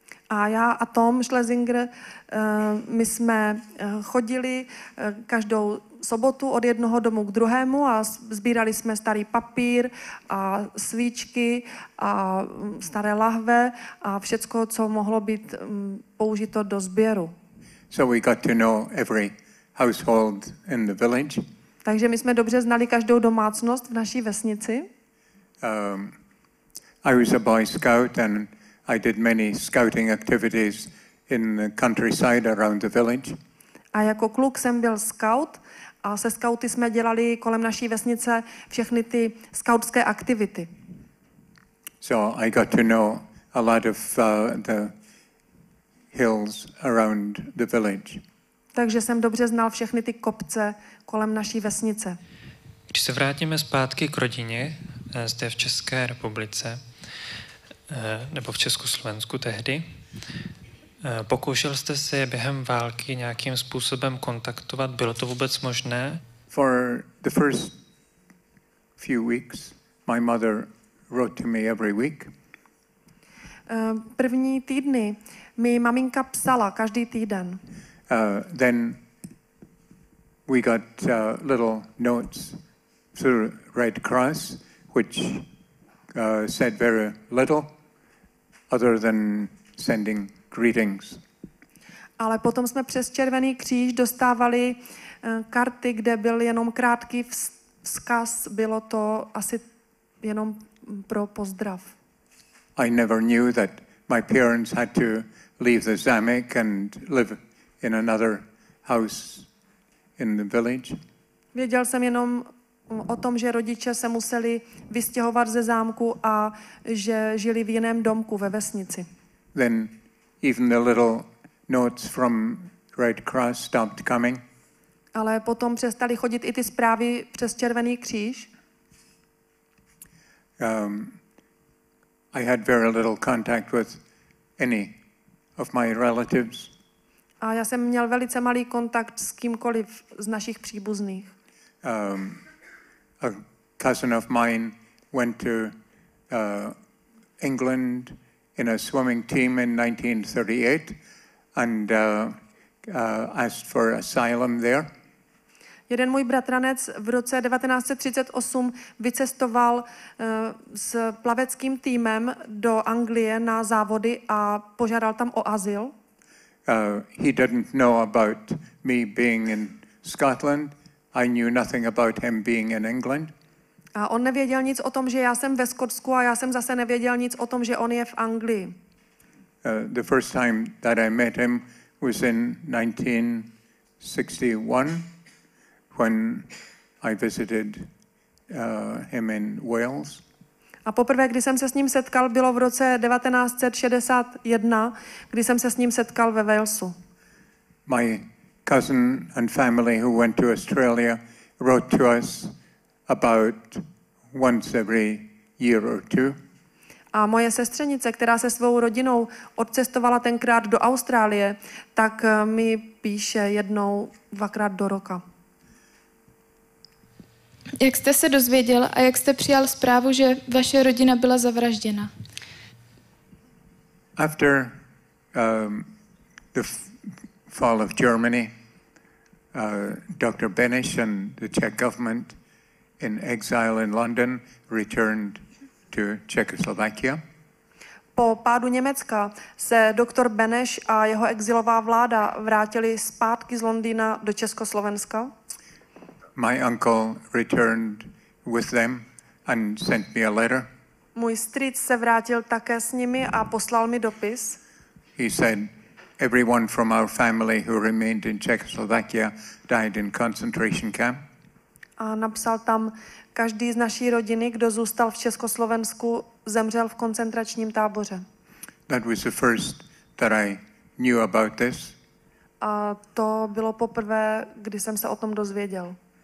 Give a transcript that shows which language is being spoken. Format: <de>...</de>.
<cs>A já a Tom Schlesinger, my jsme chodili každou sobotu od jednoho domu k druhému a sbírali jsme starý papír a svíčky a staré lahve a všecko, co mohlo být použito do sběru.</cs> <en>So we got to know every household in the village.</en> <cs>Takže my jsme dobře znali každou domácnost v naší vesnici.</cs> <en>I was a boy scout and I did many scouting activities in the countryside around the village.</en> <cs>A jako kluk jsem byl scout a se skauty jsme dělali kolem naší vesnice všechny ty skautské aktivity.</cs> <en>So I got to know a lot of the hills around the village.</en> <cs>Takže jsem dobře znal všechny ty kopce kolem naší vesnice. Když se vrátíme zpátky k rodině zde v České republice, nebo v Československu tehdy, pokoušel jste se během války nějakým způsobem kontaktovat? Bylo to vůbec možné?</cs> <en>For the first few weeks, my mother wrote to me every week.</en> <cs>První týdny mi maminka psala každý týden.</cs> <en>Then we got little notes through Red Cross, which said very little other than sending greetings.</en> <cs>Ale potom jsme přes Červený kříž dostávali karty, kde byl jenom krátký vzkaz, bylo to asi jenom pro pozdrav.</cs> <en>I never knew that my parents had to leave the Zamek and live in another house in the village.</en> <cs>Věděl jsem jenom o tom, že rodiče se museli vystěhovat ze zámku a že žili v jiném domku ve vesnici.</cs> <en>Then even the little notes from Red Cross stopped coming.</en> <cs>Ale potom přestali chodit i ty zprávy přes Červený kříž.</cs> <en>I had very little contact with any of my relatives.</en> <cs>A já jsem měl velice malý kontakt s kýmkoliv z našich příbuzných.</cs> <en>A cousin of mine went to England in a swimming team in 1938 and asked for asylum there.</en> <cs>Jeden můj bratranec v roce 1938 vycestoval s plaveckým týmem do Anglie na závody a požádal tam o azyl.</cs> <en>He didn't know about me being in Scotland. I knew nothing about him being in England.</en> <cs>A on nevěděl nic o tom, že já jsem ve Skotsku a já jsem zase nevěděl nic o tom, že on je v Anglii.</cs> <en>The first time that I met him was in 1961 when I visited him in Wales.</en> <cs>A poprvé, kdy jsem se s ním setkal, bylo v roce 1961, kdy jsem se s ním setkal ve Walesu.</cs> <en>My cousin and family who went to Australia wrote to us about once every year or two.</en> <cs>A moje sestřenice, která se svou rodinou odcestovala tenkrát do Austrálie, tak mi píše jednou dvakrát do roka. Jak jste se dozvěděl a jak jste přijal zprávu, že vaše rodina byla zavražděna?</cs> <en>After the fall of Germany, Dr. Benesch and the Czech government in exile in London returned to Czechoslovakia.</en> <cs>Po pádu Německa se Dr. Benesch a jeho exilová vláda vrátili zpátky z Londýna do Československa.</cs> <en>My uncle returned with them and sent me a letter.</en> <cs>Můj strýc se vrátil také s nimi a poslal mi dopis.</cs> <en>He said, everyone from our family who remained in Czechoslovakia died in concentration camp.</en> <cs>A napsal tam, každý z naší rodiny, kdo zůstal v Československu, zemřel v koncentračním táboře.</cs> <en>That was the first that I knew about this.</en> <cs>A to bylo poprvé, kdy jsem se o tom dozvěděl.</cs>